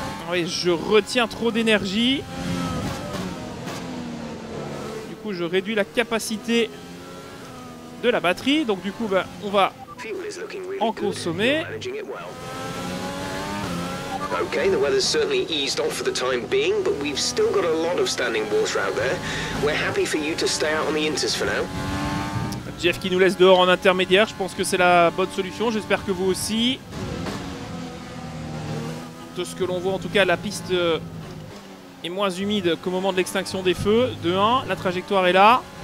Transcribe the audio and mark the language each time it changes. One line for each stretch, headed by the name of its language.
French: Oui, je retiens trop d'énergie. Du coup, je réduis la capacité de la batterie. Donc, du coup, ben, on va en consommer.
English: Okay, the weather's certainly eased off for the time being, but we've still got a lot of standing water out there. We're happy for you to stay out on the inters for now.
French: Jeff qui nous laisse dehors en intermédiaire, je pense que c'est la bonne solution, j'espère que vous aussi. De ce que l'on voit en tout cas, la piste est moins humide qu'au moment de l'extinction des feux. 2-1, la trajectoire est là.